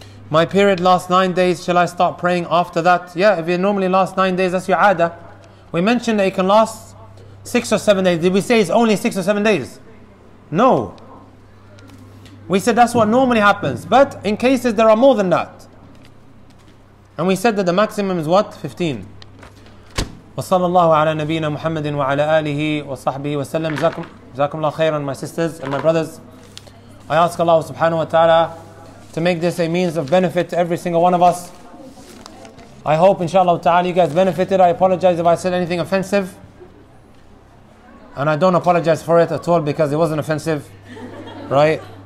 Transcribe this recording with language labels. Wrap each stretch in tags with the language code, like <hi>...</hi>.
<en>My period lasts 9 days. Shall I start praying after that? Yeah, if it normally lasts 9 days, that's your ada. We mentioned that it can last 6 or 7 days. Did we say it's only 6 or 7 days? No. We said that's what normally happens. But in cases there are more than that. And we said that the maximum is what? 15.</en> <ar>وصلى الله على نبينا محمد وعلى آله وصحبه وسلم. جزاكم الله خيرا,</ar> <en>my sisters and my brothers. I ask Allah subhanahu wa ta'ala to make this a means of benefit to every single one of us. I hope inshallah ta'ala you guys benefited. I apologize if I said anything offensive. And I don't apologize for it at all because it wasn't offensive, right?</en>